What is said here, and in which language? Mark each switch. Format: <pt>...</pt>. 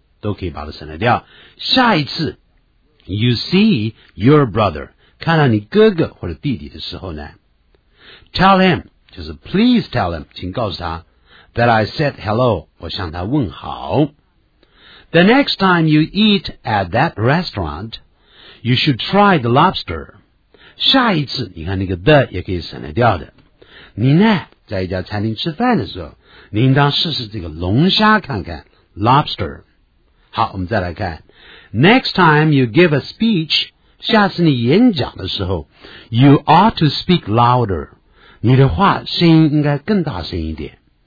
<zh>都可以把它省略掉。下一次</zh> <en>you see your brother,</en> <zh>看到你哥哥或者弟弟的时候呢 ,</zh> <en>tell him,</en> <zh>就是</zh> <en>please tell him,</en> <zh>请告诉他</zh> <en>that I said hello,</en> <zh>我向他问好。</zh> <en>The next time you eat at that restaurant, you should try the lobster.</en> <zh>下一次你看那个 the 也可以省略掉的。你呢在一家餐厅吃饭的时候你应当试试这个龙虾看看 ,lobster。好我们再来看。</zh> <en>Next time you give a speech,</en> <zh>下次你演讲的时候</zh> <en>,you ought to speak louder.</en> <zh>你的话声音应该更大声一点。</zh>